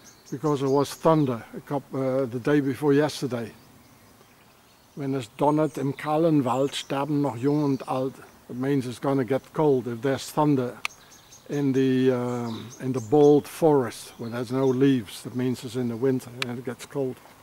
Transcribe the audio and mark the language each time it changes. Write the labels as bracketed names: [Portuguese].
[English] Because it was thunder the day before yesterday. [German] Wenn es donnert im kahlen Wald, sterben noch jung und alt. [English] It means it's going to get cold if there's thunder in the bald forest where there's no leaves. That means it's in the winter and it gets cold.